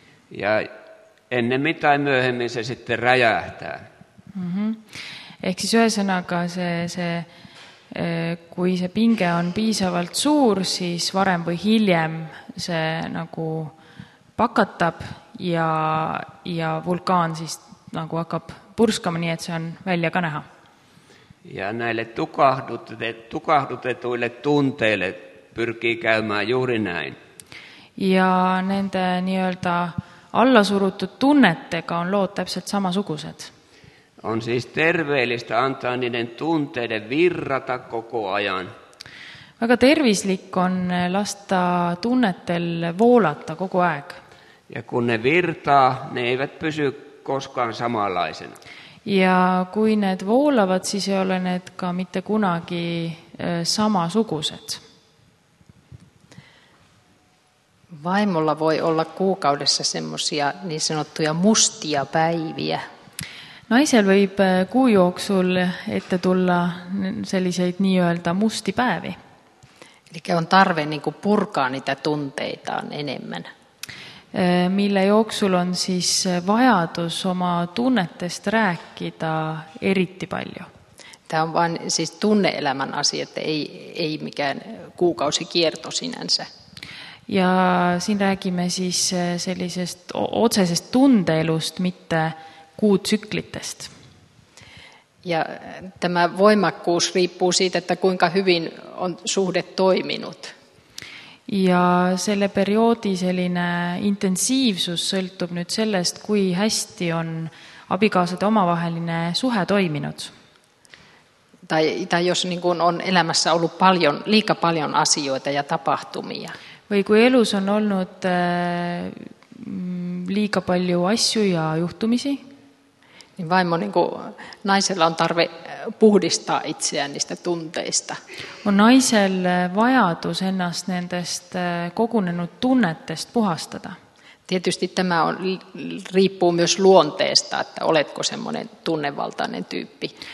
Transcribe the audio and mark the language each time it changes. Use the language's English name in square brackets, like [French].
[Finnish] Ja ennen mitä myöhemmin se sitten räjähtää. Mm-hmm. [Estonian] Ehk siis ühesõnaga se kui see pinge on piisavalt suur, siis varem või hiljem see nagu pakatab ja vulkaan siis nagu hakkab purskama nii, et see on välja ka näha. [Finnish] Ja näille tukahdutetuille tunteille pyrkii käymään juuri näin. [Estonian] ja nende nii-öelda allasurutud tunnetega on lood täpselt samasugused. [Finnish] On siis terveellistä antaa niiden tunteiden virrata koko ajan. [Estonian] Väga tervislik on lasta tunnetel voolata kogu aeg. [Finnish] Ja kun ne virtaa, ne eivät pysy koskaan samanlaisena. [Estonian] Ja kui need voolavad, siis ei ole need ka mitte kunagi samasugused. [Finnish] Vaimolla voi olla kuukaudessa semmoisia niin sanottuja mustia päiviä. [Estonian] Naisel võib kuu jooksul ette tulla selliseid nii-öelda musti päevi. [Finnish] Eli on tarve niin kuin purkaa niitä tunteitaan enemmän. [Estonian] Mille jooksul on siis vajadus oma tunnetest rääkida eriti palju. [Finnish] Tämä on vain siis tunne-elämän asia, että ei mikään kuukausikierto sinänsä. [Estonian] Ja siin räägime siis sellisest otsesest tundeelust, mitte kuutsüklitest. [Finnish] Ja tämä voimakkuus riippuu siitä, että kuinka hyvin on suhde toiminut. [Estonian] Ja selle perioodi selline intensiivsus sõltub nüüd sellest, kui hästi on abikaasade omavaheline suhe toiminud. [Finnish] Tai jos niin kuin on elämässä ollut paljon, liika paljon asioita ja tapahtumia. [Estonian] Või kui elus on olnud liika palju asju ja juhtumisi. [Finnish] Vaimo, niin kuin naisella on tarve puhdistaa itseään niistä tunteista. [Estonian] On naisel vajadus ennast nendest kogunenud tunnetest puhastada. [Finnish] Tietysti tämä on, riippuu myös luonteesta, että oletko semmoinen tunnevaltainen tyyppi.